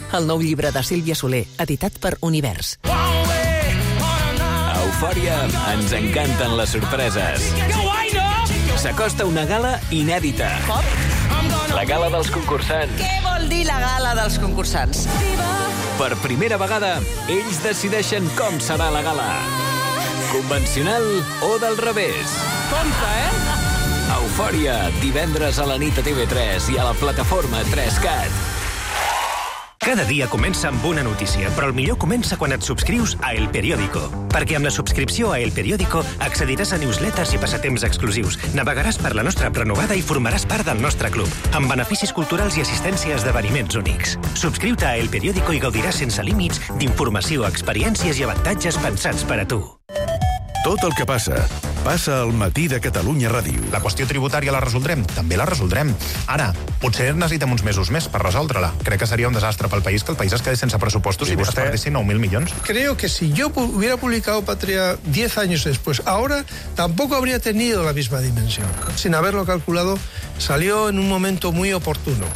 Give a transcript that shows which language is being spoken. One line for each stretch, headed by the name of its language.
Catalan: El nou llibre de Sílvia Soler, editat per Univers. A Eufòria ens encanten les sorpreses. S'acosta una gala inèdita. La gala dels concursants. Què vol dir la gala dels concursants? Per primera vegada, ells decideixen com serà la gala. Convencional o del revés. Compte, eh? Eufòria, divendres a la nit a TV3 i a la plataforma 3CAT. Cada dia comença amb una notícia, però el millor comença quan et subscrius a El Periódico. Perquè amb la subscripció a El Periódico accediràs a newsletters i passatemps exclusius, navegaràs per la nostra renovada i formaràs part del nostre club, amb beneficis culturals i assistència a esdeveniments únics. Subscriu-te a El Periódico i gaudiràs sense límits d'informació, experiències i avantatges pensats per a tu. Tot el que passa, passa al matí de Catalunya Ràdio. La qüestió tributària la resoldrem, també la resoldrem. Ara, potser necessitem uns mesos més per resoldre-la. Crec que seria un desastre pel país que el país es quedi sense pressupostos i vostè es perdessi 9.000 milions.
Spanish: Creo que si yo hubiera publicado Patria 10 años después, ahora tampoco habría tenido la misma dimensión. Sin haberlo calculado, salió en un momento muy oportuno.